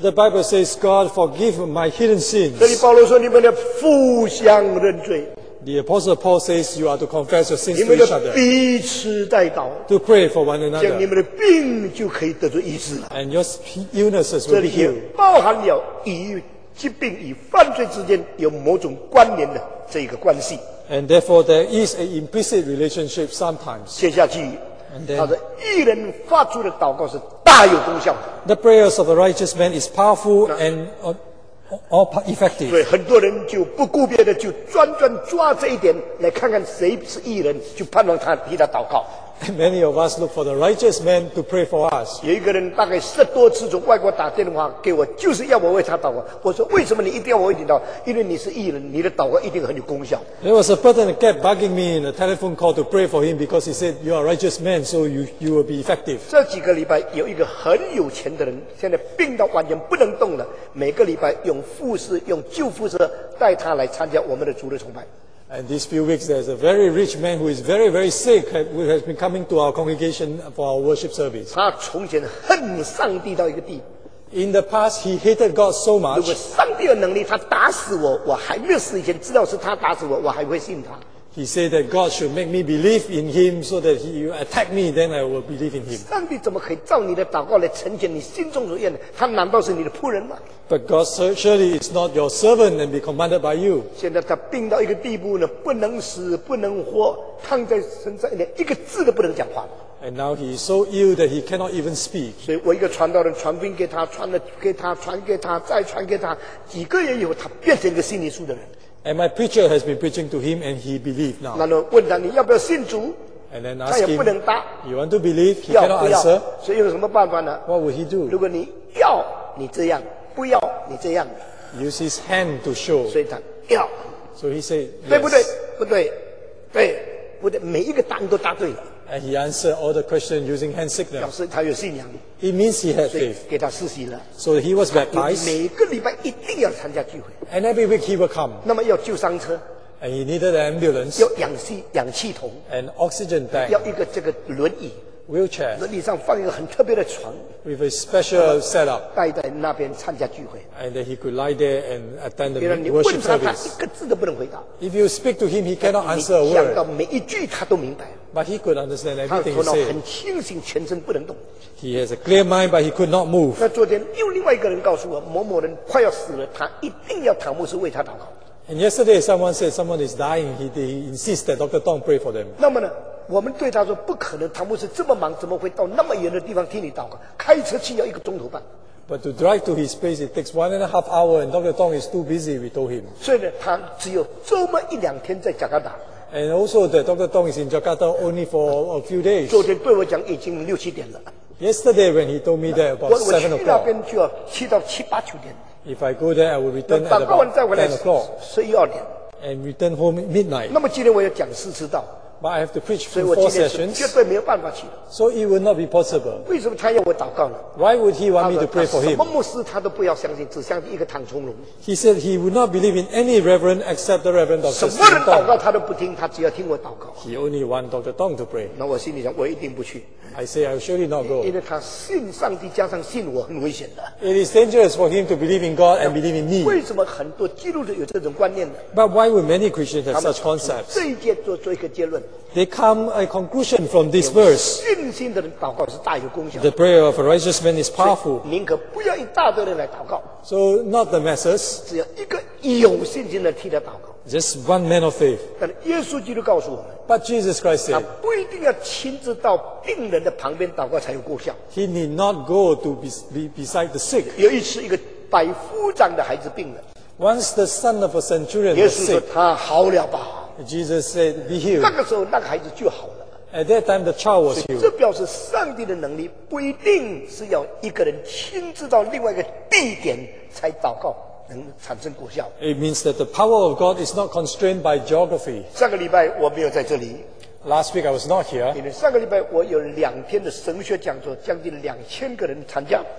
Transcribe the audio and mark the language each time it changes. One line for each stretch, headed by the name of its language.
English: The Bible says, "God forgive my hidden sins."
Chinese: 所以保罗说：“你们要互相认罪。”
English: The Apostle Paul says, "You are to confess your sins to each other."
Chinese: 彼此代祷。
English: To pray for one another.
Chinese: 将你们的病就可以得到医治了。
English: And your illnesses will be healed.
Chinese: 这里包含了医愈。疾病与犯罪之间有某种关联的这个关系。
English: And therefore, there is an implicit relationship sometimes.
Chinese: 接下去，他的义人发出的祷告是大有功效的。
English: The prayers of a righteous man is powerful and all effective.
Chinese: 所以很多人就不顾别的，就专专抓这一点来看看谁是义人，就盼望他替他祷告。
English: Many of us look for the righteous man to pray for us.
Chinese: 有一个人大概十多次从外国打电话给我，就是要我为他祷告。我说为什么你一定要我为你祷告？因为你是义人，你的祷告一定很有功效。
English: There was a person that kept bugging me in a telephone call to pray for him because he said you are a righteous man, so you will be effective.
Chinese: 这几个礼拜有一个很有钱的人，现在病到完全不能动了。每个礼拜用护士用救护车带他来参加我们的主日崇拜。
English: And these few weeks, there's a very rich man who is very, very sick, who has been coming to our congregation for our worship service.
Chinese: 他从前恨上帝到一个地。
English: In the past, he hated God so much.
Chinese: 如果上帝有能力，他打死我，我还没有死以前知道是他打死我，我还会信他。
English: He said that God should make me believe in him so that he will attack me, then I will believe in him.
Chinese: 上帝怎么可以照你的祷告来成全你心中所愿呢？他难道是你的仆人吗？
English: But God surely is not your servant and be commanded by you.
Chinese: 现在他病到一个地步呢，不能死，不能活，躺在身上连一个字都不能讲话。
English: And now he is so ill that he cannot even speak.
Chinese: 所以我一个传道人传福音给他，传了给他，传给他，再传给他，几个月以后，他变成一个信耶稣的人。
English: And my preacher has been preaching to him, and he believed now.
Chinese: 然后问他你要不要信主？
English: And then ask him,
Chinese: 他也不能答。
English: You want to believe? He cannot answer.
Chinese: 所以有什么办法呢？
English: What would he do?
Chinese: 如果你要，你这样；不要，你这样。
English: Use his hand to show.
Chinese: 所以他要。
English: So he said,
Chinese: 对不对？不对，对，不对，每一个答案都答对了。
English: And he answered all the questions using hand signals.
Chinese: 表示他有信仰。
English: It means he had faith.
Chinese: 给他施洗了。
English: So he was baptized.
Chinese: 每个礼拜一定要参加聚会。
English: And every week he will come.
Chinese: 那么要救伤车。
English: And he needed an ambulance.
Chinese: 要氧气筒。
English: And oxygen tank.
Chinese: 要一个这个轮椅。
English: Wheelchair.
Chinese: 轮椅上放一个很特别的床。
English: With a special setup.
Chinese: 待在那边参加聚会。
English: And then he could lie there and attend the worship service.
Chinese: 你问他，他一个字都不能回答。
English: If you speak to him, he cannot answer a word.
Chinese: 你想到每一句，他都明白。
English: But he could understand everything he said.
Chinese: 他头脑很清醒，全身不能动。
English: He has a clear mind, but he could not move.
Chinese: 那昨天又另外一个人告诉我，某某人快要死了，他一定要唐牧师为他祷告。
English: And yesterday, someone said someone is dying. He insists that Dr. Tong pray for them.
Chinese: 那么呢，我们对他说，不可能，唐牧师这么忙，怎么会到那么远的地方替你祷告？开车去要一个钟头半。
English: But to drive to his place, it takes 1.5 hours, and Dr. Tong is too busy. We told him.
Chinese: 所以呢，他只有这么一两天在加拿大。
English: And also that Dr. Tong is in Jakarta only for a few days.
Chinese: 昨天对我讲已经六七点了。
English: Yesterday when he told me that about 7 o'clock.
Chinese: 我去那边就要去到七八九点。
English: If I go there, I will return at about 10 o'clock.
Chinese: 十一二点。
English: And return home at midnight.
Chinese: 那么今天我要讲四次道。
English: But I have to preach for 4 sessions.
Chinese: 绝对没有办法去。
English: So it will not be possible.
Chinese: 为什么他要我祷告呢？
English: Why would he want me to pray for him?
Chinese: 什么牧师他都不要相信，只相信一个唐崇荣。
English: He said he would not believe in any reverend except the reverend Dr. Tong.
Chinese: 什么人祷告他都不听，他只要听我祷告。
English: He only want Dr. Tong to pray.
Chinese: 那我心里想，我一定不去。
English: I say I will surely not go.
Chinese: 因为他信上帝加上信我很危险的。
English: It is dangerous for him to believe in God and believe in me.
Chinese: 为什么很多基督徒有这种观念呢？
English: But why would many Christians have such concepts?
Chinese: 这一节做一个结论。
English: They come a conclusion from this verse.
Chinese: 信心的人祷告是大有功效。
English: The prayer of a righteous man is powerful.
Chinese: 宁可不要一大堆人来祷告。
English: So not the masses.
Chinese: 只要一个有信心的替他祷告。
English: Just one man of faith.
Chinese: 但耶稣基督告诉我们。
English: But Jesus Christ said.
Chinese: 他不一定要亲自到病人的旁边祷告才有功效。
English: He need not go to beside the sick.
Chinese: 有一次一个百夫长的孩子病了。
English: Once the son of a centurion was sick.
Chinese: 耶稣说他好了吧。
English: Jesus said, "Be healed."
Chinese: 那个时候，那个孩子就好了。
English: At that time, the child was healed.
Chinese: 这表示上帝的能力不一定是要一个人亲自到另外一个地点才祷告能产生果效。
English: It means that the power of God is not constrained by geography.
Chinese: 上个礼拜我没有在这里。
English: Last week I was not here.
Chinese: 因为上个礼拜我有两天的神学讲座，将近2000个人参加。